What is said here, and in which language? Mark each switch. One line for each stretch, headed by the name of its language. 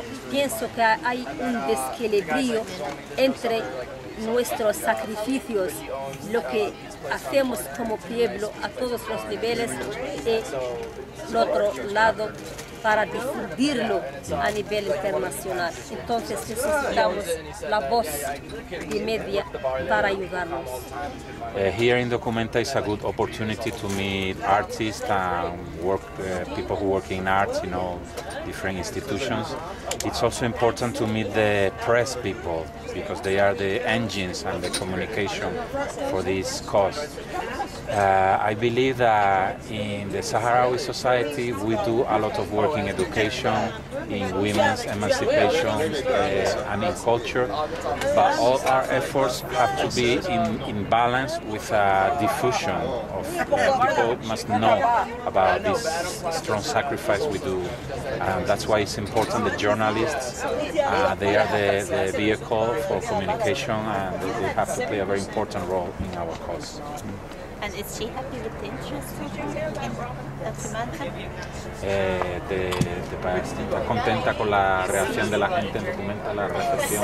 Spanish: Pienso que hay un desequilibrio entre nuestros sacrificios, lo que hacemos como pueblo a todos los niveles, y el otro lado para difundirlo a nivel internacional. Entonces necesitamos la voz de media para ayudarnos.
English: Here in Documenta is a good opportunity to meet artists and work people who work in arts, you know, different institutions. It's also important to meet the press people because they are the engines and the communication for this cause. I believe that in the Sahrawi society we do a lot of work in education, in women's emancipation and in culture, but all our efforts have to be in balance with a diffusion of people must know about this strong sacrifice we do, and that's why it's important the journalists, they are the vehicle for communication, and they have to play a very important role in our cause. And is she happy with the interest in Documenta?
Spanish: ¿Te parece? ¿Estás contenta con la reacción de la gente en Documenta, la recepción?